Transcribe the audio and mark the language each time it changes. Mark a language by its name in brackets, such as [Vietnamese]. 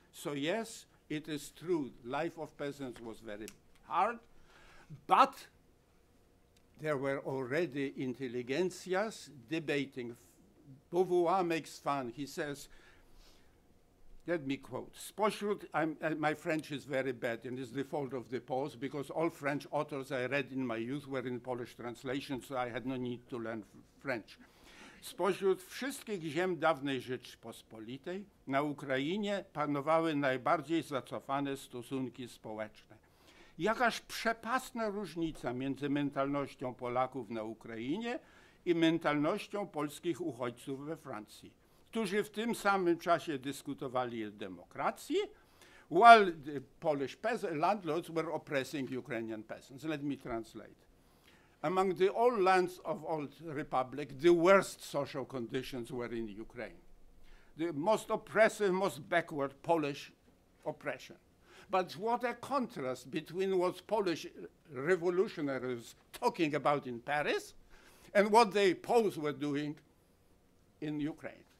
[English] So yes, it is true, life of peasants was very hard, but there were already intelligentsias debating. Beauvoir makes fun, he says, let me quote. [Polish] Spośród, [English] my French is very bad, and it's the fault of the Poles, because all French authors I read in my youth were in Polish translation, so I had no need to learn French. [Polish] Spośród wszystkich ziem dawnej Rzeczpospolitej na Ukrainie panowały najbardziej zacofane stosunki społeczne. Jakaż przepastna różnica między mentalnością Polaków na Ukrainie i mentalnością polskich uchodźców we Francji, którzy w tym samym czasie dyskutowali o demokracji, [English] while the Polish landlords were oppressing Ukrainian peasants. Let me translate. Among the old lands of old republic, the worst social conditions were in Ukraine. The most oppressive, most backward Polish oppression. But what a contrast between what Polish revolutionaries talking about in Paris and what the Poles were doing in Ukraine.